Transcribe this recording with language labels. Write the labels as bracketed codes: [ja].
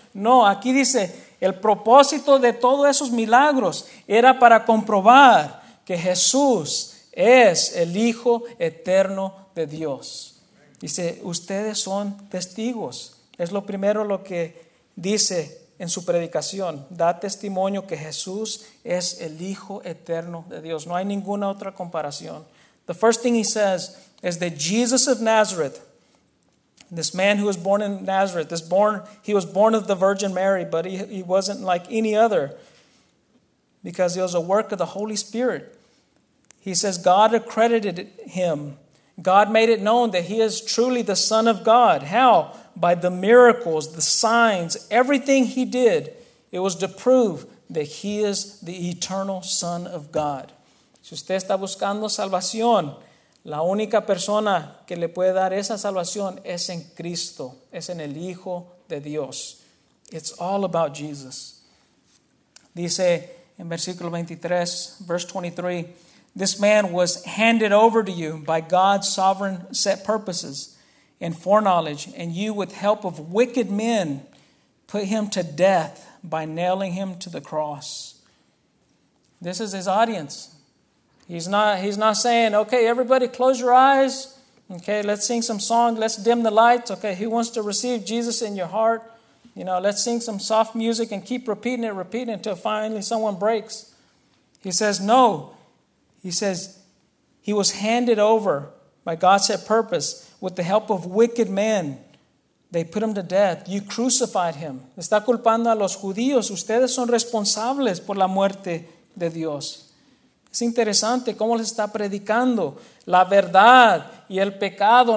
[es] No, aquí dice, el propósito de todos esos milagros era para comprobar que Jesús es el Hijo Eterno de Dios. Dice, ustedes son testigos. Es lo primero lo que dice en su predicación. Da testimonio que Jesús es el Hijo Eterno de Dios. No hay ninguna otra comparación. [en] The first thing he says is that Jesus of Nazareth, this man who was born in Nazareth, he was born of the Virgin Mary, but he wasn't like any other because it was a work of the Holy Spirit. He says God accredited him. God made it known that he is truly the Son of God. How? By the miracles, the signs, everything he did, it was to prove that he is the eternal Son of God. [es] Si usted está buscando salvación, la única persona que le puede dar esa salvación es en Cristo, es en el Hijo de Dios. [en] It's all about Jesus. [es] Dice en versículo 23, [en] verse 23, this man was handed over to you by God's sovereign set purposes and foreknowledge, and you, with help of wicked men, put him to death by nailing him to the cross. This is his audience. He's not saying, okay, everybody close your eyes. Okay, let's sing some songs. Let's dim the lights. Okay, who wants to receive Jesus in your heart? You know, let's sing some soft music and keep repeating it until finally someone breaks. He says, no. He says, he was handed over by God's set purpose with the help of wicked men. They put him to death. You crucified him. [es] Está culpando a los judíos. Ustedes son responsables por la muerte de Dios. Es interesante cómo les está predicando la verdad y el pecado.